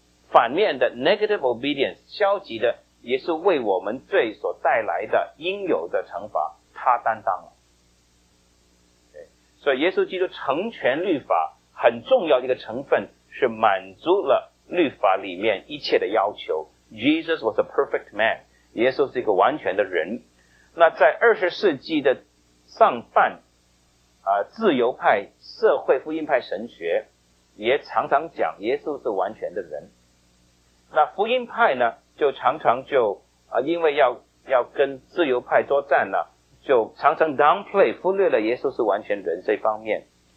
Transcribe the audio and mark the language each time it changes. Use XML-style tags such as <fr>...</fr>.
<zh>反面的 negative obedience 消极的，也是为我们罪所带来的应有的惩罚他担当了。所以耶稣基督成全律法很重要的一个成分是满足了律法里面一切的要求。</zh> <en>Jesus was a perfect man，</en> <zh>耶稣是一个完全的人。那在20世纪的上半自由派社会福音派神学也常常讲耶稣是完全的人。那福音派呢就常常就因为要跟自由派作战呢，就常常 downplay 忽略了耶稣是完全人这方面。</zh>